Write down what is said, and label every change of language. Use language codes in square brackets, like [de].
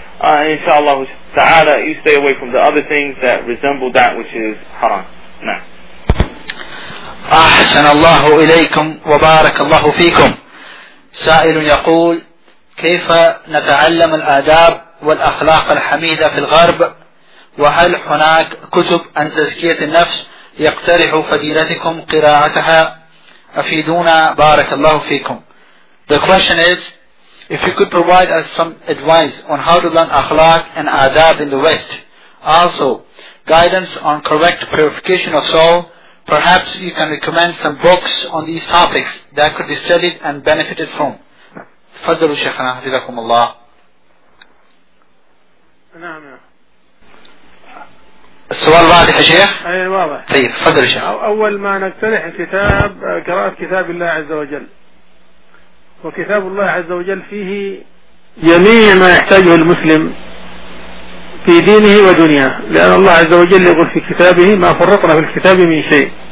[en] Inshallah ta'ala, you stay away from the other things that resemble that which is haram. [ar] أحسن الله إليكم وبارك الله فيكم. سائل يقول كيف نتعلم الآداب والأخلاق الحميدة في الغرب، وهل هناك كتب عن تزكية النفس يقترح فضيلتكم قراءتها أفيدونا بارك الله فيكم. [en] The question is, if you could provide us some advice on how to learn akhlaq and adab in the West, also guidance on correct purification of soul, perhaps you can recommend some books on these topics that could be studied and benefited from. [ar] تفضلوا شيخنا حفظكم الله. نعم. السؤال واضح يا شيخ؟ اي واضح. طيب تفضل يا شيخ. اول ما نقترح كتاب قراءة كتاب الله عز وجل. وكتاب الله عز وجل فيه جميع ما يحتاجه المسلم في دينه ودنياه، لأن الله عز وجل يقول في كتابه ما فرطنا في الكتاب من شيء.